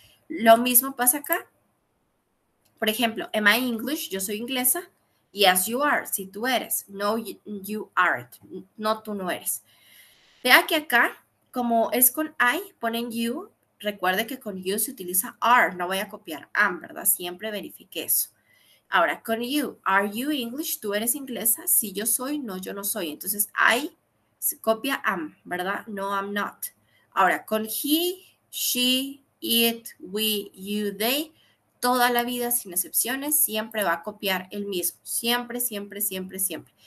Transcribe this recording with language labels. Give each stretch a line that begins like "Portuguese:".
Spanish: Lo mismo pasa acá. Por ejemplo,
English: am I English?
Spanish: Yo soy inglesa.
English: Yes, you are.
Spanish: Si tú eres.
English: No, you aren't.
Spanish: No, tú no eres. Vea que acá, como es con I, ponen you. Recuerde que con you se utiliza are. No voy a copiar am, ¿verdad? Siempre verifique eso. Ahora, con
English: you, are you English?
Spanish: ¿Tú eres inglesa? Sí, yo soy, no, yo no soy. Entonces, I se copia am, ¿verdad?
English: No, I'm not.
Spanish: Ahora, con he, she, it, we, you, they, toda la vida sin excepciones, siempre va a copiar el mismo. Siempre, siempre, siempre, siempre.